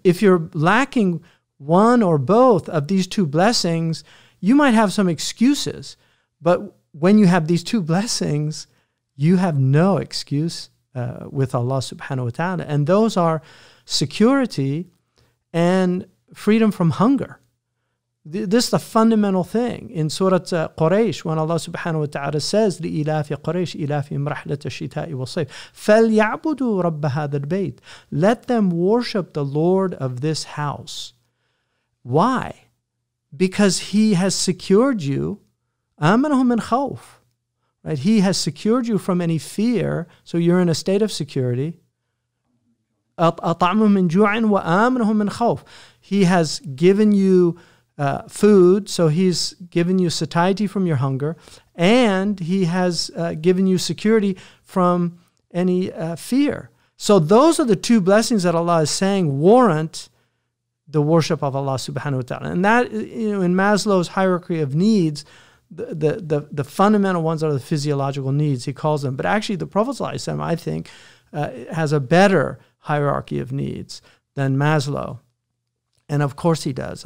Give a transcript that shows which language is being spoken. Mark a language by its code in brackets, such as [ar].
[en] If you're lacking one or both of these two blessings, you might have some excuses. But when you have these two blessings, you have no excuse with Allah subhanahu wa ta'ala. And those are security and freedom from hunger. This is the fundamental thing. In Surah Quraysh, when Allah subhanahu wa ta'ala says, [ar] لِإِلَافِ قُرَيْشِ إِلَافِهِمْ رَحْلَةَ الشِّتَاءِ وَالصَّيْفِ فَلْيَعْبُدُوا رَبَّ هَذَا الْبَيْتِ. [en] Let them worship the Lord of this house. Why? Because he has secured you. [ar] آمَنَهُمْ مِنْ خَوْفٍ. [en] Right? He has secured you from any fear, so you're in a state of security. [ar] أَطْعَمُهُمْ مِنْ جُوعٍ وَآمَنَهُمْ مِنْ خَوْفٍ. [en] He has given you food. So he's given you satiety from your hunger, and he has given you security from any fear. So those are the two blessings that Allah is saying warrant the worship of Allah subhanahu wa ta'ala. And that, you know, in Maslow's hierarchy of needs, the fundamental ones are the physiological needs, he calls them. But actually the Prophet sallallahu alaihi wasallam, I think, has a better hierarchy of needs than Maslow. And of course he does.